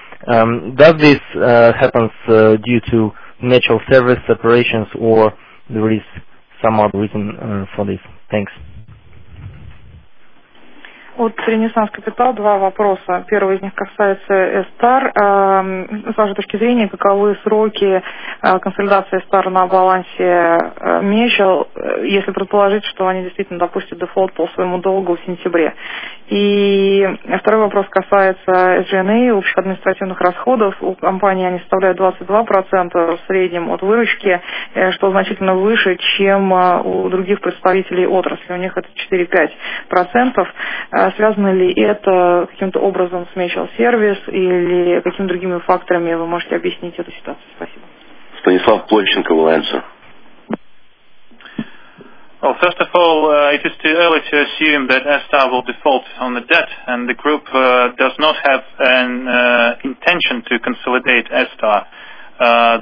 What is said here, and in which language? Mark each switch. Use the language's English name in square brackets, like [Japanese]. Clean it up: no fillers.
[English] Does this happens due to natural service separations, or there is some other reason for this? Thanks. [Russian] От Ренессанс Капитал два вопроса. Первый из них касается Эстар. С вашей точки зрения, каковы сроки консолидации Эстар на балансе Мечел, если предположить, что они действительно допустят дефолт по своему долгу в сентябре? И второй вопрос касается SG&A, общих административных расходов. У компании они составляют 22% в среднем от выручки, что значительно выше, чем у других представителей отрасли. У них это 4-5%. Связано ли это каким-то образом с Mutual Service или какими-то другими факторами вы можете объяснить эту ситуацию? Спасибо. [English] Станислав Плотченко will answer. Well, first of all, it is too early to assume that Astar will default on the debt, and the group does not have an intention to consolidate Astar.